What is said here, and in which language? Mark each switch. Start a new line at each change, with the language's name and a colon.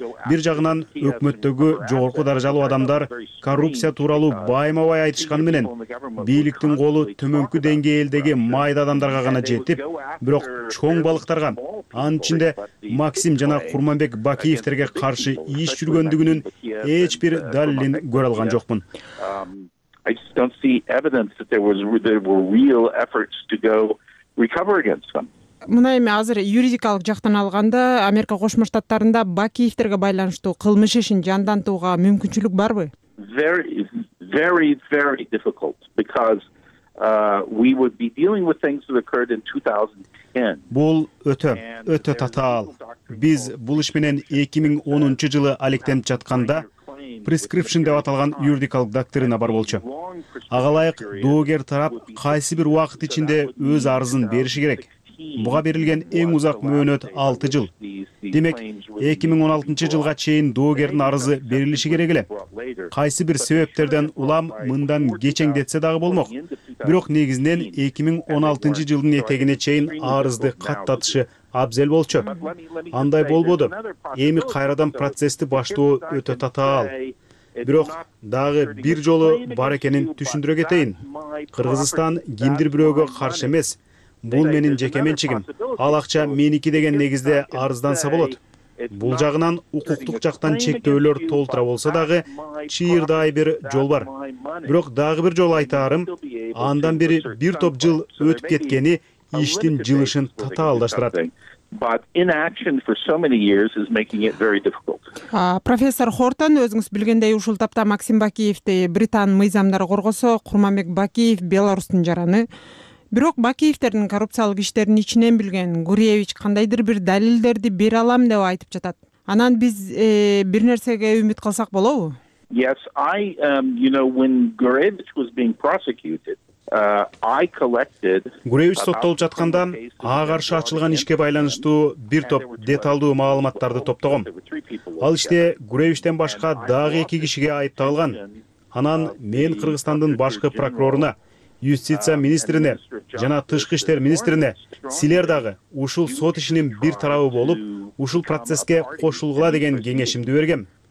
Kyrgyz: Бир жагынан өкмөттөгү жогорку даражалуу адамдар коррупция тууралуу байма-бай айтышканы менен бийликтин колу төмөнкү деңгээлдеги майда адамдарга гана жетип, бирок чоң балыктарга, анын ичинде Максим жана Курманбек Бакиевдерге каршы иш жүргөндүгүнүн эч бир далилин көрө алган жокмун.
English: I just don't see evidence that there were real efforts to go recover against them.
Kyrgyz: Мына эми азыр юридикалык жактан алганда Америка Кошмо Штаттарында Бакиевдерге байланыштуу кылмыш ишин жандантууга мүмкүнчүлүк барбы?
English: Very very very difficult because we would be dealing with things that occurred in 2010.
Kyrgyz: Бул өтө татаал. Биз бул иш менен 2010 жылы алектенип жатканда prescription деп аталган юридикалык доктрина бар болчу. Ага ылайык доогер тарап кайсы бир убакыт ичинде өз арызын бериши керек. Буга берилген эң узак мөөнөт 6 жыл. Демек 2016 жылга чейин доогердин арызы берилиши керек эле. Кайсы бир себептерден улам мындан кечеңдетсе дагы болмок. Бирок негизинен 2016 жылдын этегине чейин арызды каттатышы абзел болчу. Андай болбоду. Эми кайрадан процессти баштоо өтө татаал. Бирок дагы бир жолу бар экенин түшүндүрө кетейин. Кыргызстан кимдир бирөөгө каршы эмес. Бул менин жеке менчигим. Ал акча меники деген негизде арызданса болот. Бул жагынан укуктук жактан чектөөлөр толтура болсо дагы чыйырдай бир жол бар. Бирок дагы бир жолу айтаарым, андан бери бир топ жыл өтүп кеткени иштин жылышын татаалдаштырат.
English: But inaction for so many years is making it very difficult.
Kyrgyz: Профессор Хортон, өзүңүз билгендей, ушул тапта Максим Бакиевди Британ мыйзамдары коргосо, Курманбек Бакиев Беларусьтун жараны. Бирок Бакиевдердин коррупциялык иштердин ичинен билген Гуриевич кандайдыр бир далилдерди бере алам деп айтып жатат. Анан биз бир нерсеге үмүт кылсак болобу?
English: Yes, I, you know, when Gurevich was being prosecuted, I collected.
Kyrgyz: Гуревич соттолуп жатканда ага каршы ачылган ишке байланыштуу бир топ деталдуу маалыматтарды топтогом. Ал иште Гуревичтен башка дагы 2 кишиге айыпталган. Анан мен Кыргызстандын башкы прокуроруна, юстиция министрине жана тышкы иштер министрине, силер дагы ушул сот ишинин бир тарабы болуп, ушул процесске кошулгула деген кеңешимди бергем.